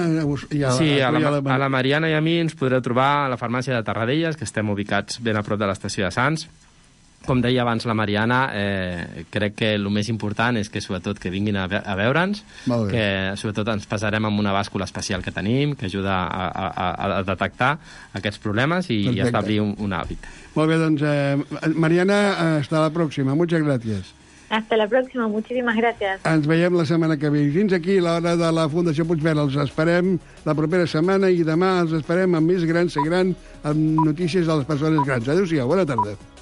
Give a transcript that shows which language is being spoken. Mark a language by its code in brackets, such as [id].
[ca] A la Mariana i a mi ens podreu trobar a la farmàcia de Tarradellas, que estem ubicats ben a prop de l'estació de Sants. Com deia abans la Mariana, crec que el més important és que sobretot que vinguin a veure'ns, que sobretot ens pesarem amb una bàscula especial que tenim, que ajuda a detectar aquests problemes i establir un hàbit. Molt bé, doncs, [es] Mariana, hasta la próxima. Muchas gracias. Hasta la próxima, muchísimas gracias. [ca] Ens veiem la setmana que ve. Fins aquí l'hora de la Fundació Puigverd. Els esperem la propera setmana i demà els esperem amb més gran, ser gran, amb notícies de les persones grans. Adéu-siau, bona tarda.